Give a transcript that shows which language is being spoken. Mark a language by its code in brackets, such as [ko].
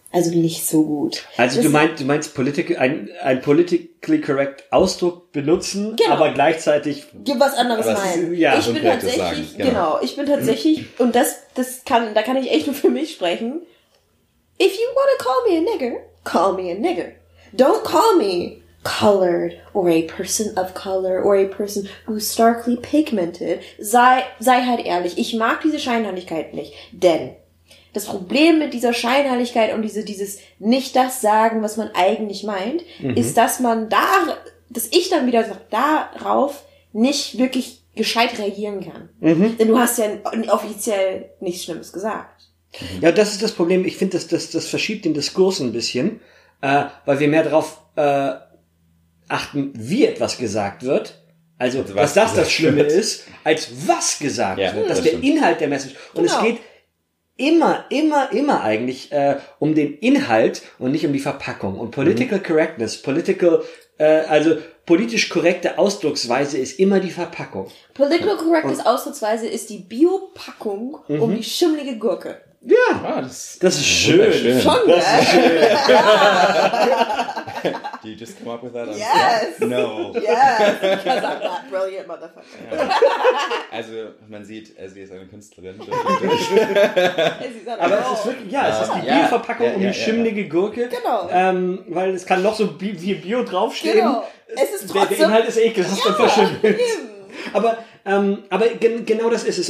[de] Also nicht so gut. Also du meinst ein politically correct Ausdruck benutzen, genau. Aber gleichzeitig was anderes meinen. Ja, ich bin tatsächlich, genau, ich bin tatsächlich, und da kann ich echt nur für mich sprechen. [en] If you wanna call me a nigger, call me a nigger. Don't call me colored or a person of color or a person who's starkly pigmented. [de] Sei halt ehrlich, ich mag diese Scheinheiligkeit nicht, denn das Problem mit dieser Scheinheiligkeit und dieses nicht das sagen, was man eigentlich meint, ist, dass ich dann wieder darauf nicht wirklich gescheit reagieren kann. Mhm. Denn du hast ja offiziell nichts Schlimmes gesagt. Ja, das ist das Problem. Ich finde, das verschiebt den Diskurs ein bisschen, weil wir mehr darauf achten, wie etwas gesagt wird. Also, was das gesagt. Das Schlimme ist, als was gesagt wird. Das ist der Inhalt der Message. Und genau. Es geht immer eigentlich um den Inhalt und nicht um die Verpackung. Und political correctness, also politisch korrekte Ausdrucksweise ist immer die Verpackung. Political correctness und Ausdrucksweise ist die Biopackung um die schimmelige Gurke. Ja, das ist schön. Schon, das ist schön. [en] Did you just come up with that? Yes. Yeah. No. Yes, because I'm that brilliant motherfucker. [de] Also, man sieht, sie ist eine Künstlerin. Aber es ist wirklich, ja, es ist die Bio-Verpackung um die schimmelige Gurke. Genau. Weil es kann noch so wie Bio draufstehen. Genau. Es ist trotzdem. Der Inhalt ist ekelhaft und verschimmelt. Aber genau das ist es.